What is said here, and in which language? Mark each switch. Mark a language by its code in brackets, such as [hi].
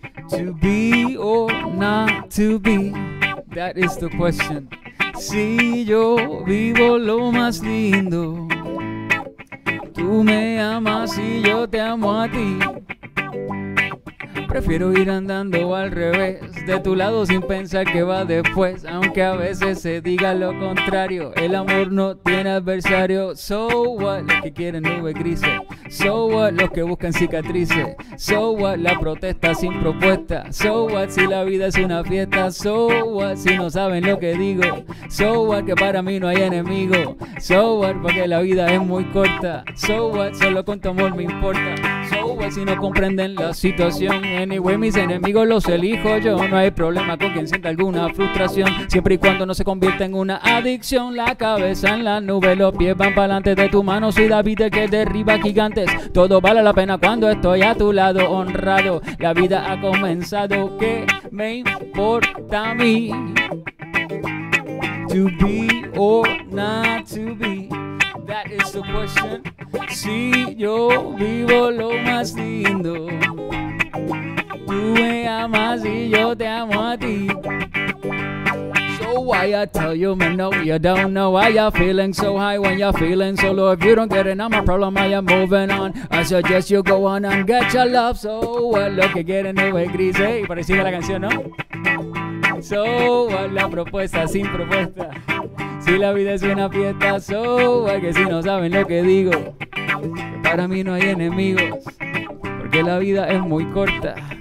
[en] To be or not to be, that is the question. [es] Si yo vivo lo más lindo, tú me amas y yo te amo a ti. Prefiero ir andando al revés, de tu lado sin pensar que va después. Aunque a veces se diga lo contrario, el amor no tiene adversario. [en] So what, [es] los que quieren nubes grises. So what, los que buscan cicatrices. [en] So what, [es] la protesta sin propuesta. So what, si la vida es una fiesta. [en] So what, [es] si no saben lo que digo. So what, que para mí no hay enemigo. [en] So what, [es] porque la vida es muy corta. So what, solo con tu amor me importa. So what. que si no comprenden la situación. Anyway, mis enemigos los elijo yo. No hay problema con quien sienta alguna frustración, siempre y cuando no se convierta en una adicción. La cabeza en la nube, los pies van pa'lante. De tu mano soy David, el que derriba gigantes. Todo vale la pena cuando estoy a tu lado, honrado. La vida ha comenzado, ¿qué me importa a mí? To be or not to be, that is the question. Si yo vivo lo más lindo, tú me amas y yo te amo a ti. [en] So why I tell you, man, no, you don't know why you're feeling so high when you're feeling so low. If you don't get it, I'm a problem, I am moving on. I suggest you go on and get your love. So what, [es] lo que quieren es gris, ¿eh? Parecía la canción, ¿no? [en] So what, [es] la propuesta sin propuesta. Si la vida es una fiesta, so what, que si no saben lo que digo. Para mí no hay enemigos, porque la vida es muy corta.